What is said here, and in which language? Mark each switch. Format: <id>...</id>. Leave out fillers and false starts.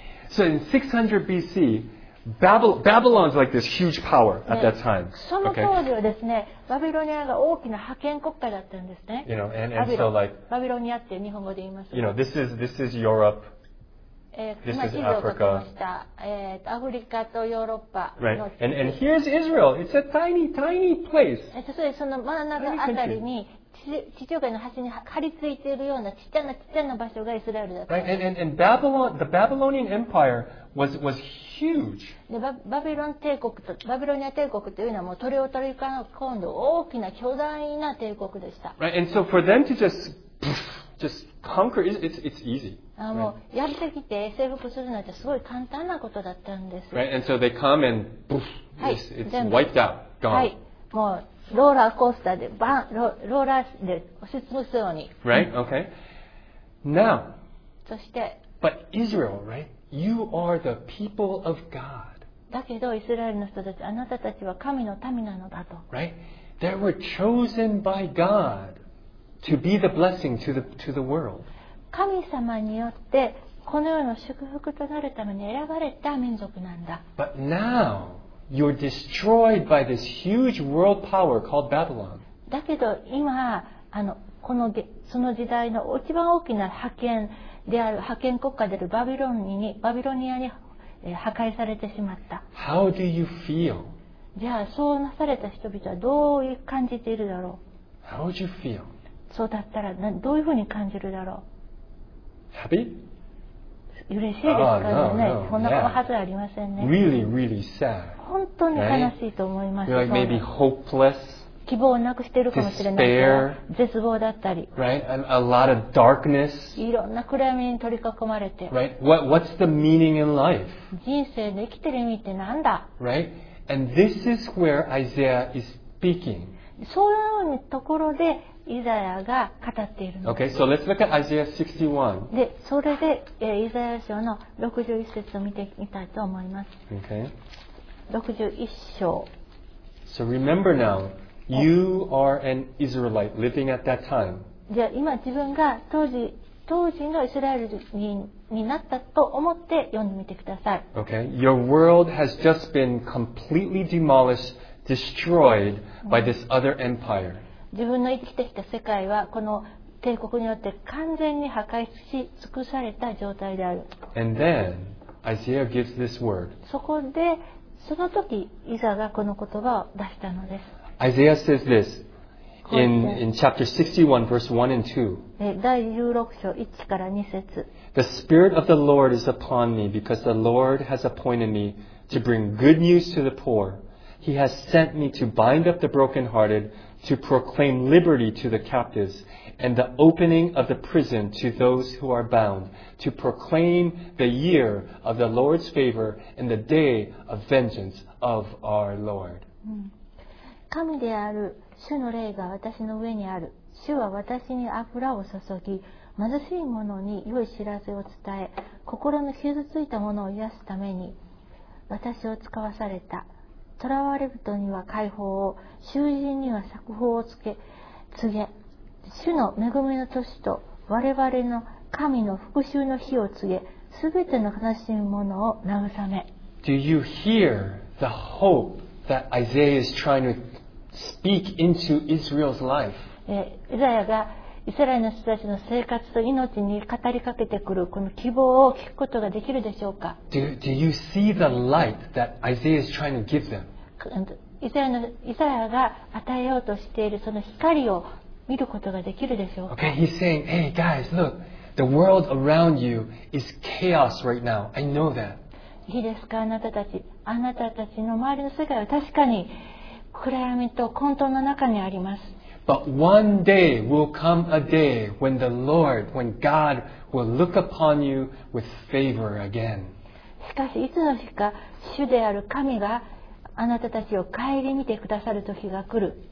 <en>So in 600 BC, Babylon's like this huge power at that time.</en> <ja>その当時はですね、バビロニアが大きな覇権国家だったんですね。</ja> <en>You know, and so like,</en> <ja>バビロニアって日本語で言います。</ja> <en>You know, this is Europe. This is Africa.</en> <ja>アフリカとヨーロッパ。</ja> <en>Right. And here's Israel. It's a tiny, tiny place.</en> <ja>それその真ん中あたりに地上界の端に張り付いているようなちっちゃなちっちゃな場所がイスラエルだった。</ja> <en>Right, and Babylon, the Babylonian Empire was huge.</en> <ja>で、バビロン帝国とバビロニア帝国というのはもう鳥を取り込んで大きな巨大な帝国でした。</ja> <en>Right, and so for them to just conquer, it's easy.</en> <ja>あ、もうやってきて征服するのってすごい簡単なことだったんです。</ja> <en>Right, and so they come and poof, it's wiped out, gone.</en> <ja>はい、もうローラーコースターでバン、ローラーで押し潰すように。</ja> <en>Right, okay. Now.</en> <ja>そして。</ja> <en>But Israel, right? You are the people of God.</en> <ja>だけどイスラエルの人たち、あなたたちは神の民なのだと。</ja> <en>Right? They were chosen by God to be the blessing to the world.</en> <ja>神様によってこの世の祝福となるために選ばれた民族なんだ。</ja> <en>But now. You're destroyed by this huge world power called Babylon.</en> <ja>だけど今あのこのその時代の一番大きな覇権である覇権国家であるバビロニアに破壊されてしまった。</ja> <en>How do you feel?</en> <ja>じゃあそうなされた人々はどう感じているだろう。</ja> <en>How would you feel?</en> <ja>そうだったらどういうふうに感じるだろう。</ja> <en>Happy?</en> <ja>嬉しいですからね。こんなことはずありませんね。</ja> <en>Really, really sad.</en> <ja>本当に悲しいと思います。</ja> <en>Right? Like、maybe hopeless,</en> <ja>希望をなくしているかもしれない。</ja> <en>Despair,</en> <ja>絶望だったり。</ja> <en>Right? A lot of darkness.</en> <ja>いろんな暗闇に取り囲まれて。</ja> <en>Right? What's the meaning in life?</en> <ja>人生で生きてる意味ってなんだ。</ja> <en>Right? And this is where Isaiah is speaking.</en> <ja>そういうところで。イザヤが語っているの。</ja> <en>Okay, so let's look at Isaiah 61.</en> <ja>で、それでイザヤ書の61節を見てみたいと思います。</ja> <en>Okay.</en> <ja>61章。</ja> <en>So remember now, you are an Israelite living at that time.</en> <ja>じゃあ今自分が当時のイスラエル人になったと思って読んでみてください。</ja> <en>Okay, your world has just been completely demolished, destroyed by this other empire.</en> <ja>自分の生きてきた世界はこの帝国によって完全に破壊し尽くされた状態である。</ja> <en>And then, Isaiah gives this word.</en> <ja>そこでその時イザがこの言葉を出したのです。</ja> <en>Isaiah says this. in chapter 61, verse 1 and 2.</en> <ja>第16章1から2節。</ja> <en>The Spirit of the Lord is upon me because the Lord has appointed me to bring good news to the poor. He has sent me to bind up the brokenhearted, to proclaim liberty to the captives, and the opening of the prison to those who are bound, to proclaim the year of the Lord's favor and the day of vengeance of our Lord.</en> <ja>神である主の霊が私の上にある。主は私に油を注ぎ、貧しい者に良い知らせを伝え、心の傷ついた者を癒すために私を使わされた。囚われ人には解放を、囚人には釈放をつけ、告げ、主の恵みの年と我々の神の復讐の日を告げ、すべての悲しむ者を慰め。</ja> <en>Do you hear the hope that Isaiah is trying to speak into Israel's life?</en> <ja>イザヤがイスラエルの人たちの生活と命に語りかけてくるこの希望を聞くことができるでしょうか。</ja> <en>Do you see the light that Isaiah is trying to give them?</en> <ja>イザヤが与えようとしているその光を見ることができるでしょうか。</ja> <en>Okay, he's saying, hey guys, look, the world around you is chaos right now. I know that.</en> <ja>いいですか、あなたたち。あなたたちの周りの世界は確かに暗闇と混沌の中にあります。</ja> <en>But one day will come a day when the Lord, when God will look upon you with favor again.</en> <ja>しかし、いつの日か主である神があなたたちを顧みてくださる時が来る。</ja>